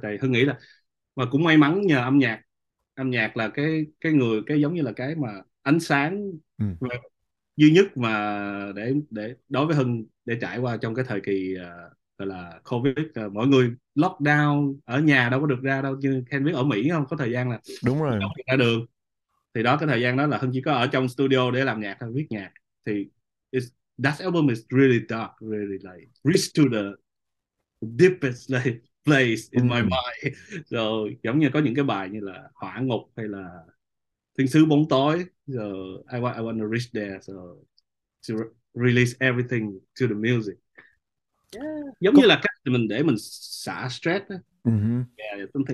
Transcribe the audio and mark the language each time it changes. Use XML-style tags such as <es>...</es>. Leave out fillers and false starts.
<vi>Thì Hưng nghĩ là, và cũng may mắn nhờ âm nhạc là cái giống như là cái mà ánh sáng duy nhất mà để đối với Hưng để trải qua trong cái thời kỳ gọi là COVID, mọi người lockdown ở nhà đâu có được ra đâu, như Ken biết ở Mỹ không có thời gian là Đúng đâu rồi. được ra đường. Thì đó, cái thời gian đó là Hưng chỉ có ở trong studio để làm nhạc thôi, viết nhạc.</vi> <en>Thì that album is really dark, really like reach to the deepest place in my mind.</en> <vi>Rồi giống như có những cái bài như là Hỏa Ngục hay là Thiên Sứ Bóng Tối, rồi</vi> <en>I want to reach there, so to release everything to the music.</en> <vi>Giống như là cách mình xả stress đó.</vi> <en>Yeah,</en>